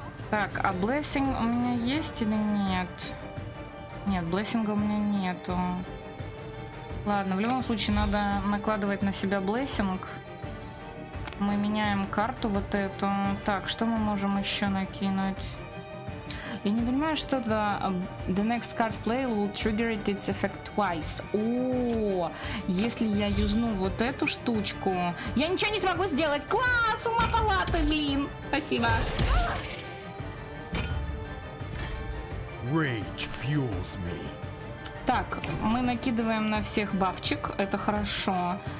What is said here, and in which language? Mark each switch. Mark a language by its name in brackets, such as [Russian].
[Russian] Так, а блессинг у меня есть или нет? Нет, блессинга у меня нету. Ладно, в любом случае надо накладывать на себя блессинг. Мы меняем карту вот эту. Так, что мы можем еще накинуть? Я не понимаю, что это... [English] The next card play will trigger its effect twice. [Russian] О, если я юзну вот эту штучку... Я ничего не смогу сделать! Класс! Ума палаты, блин! Спасибо! [English] Rage fuels me. [Russian] Так, мы накидываем на всех бабчик. Это хорошо.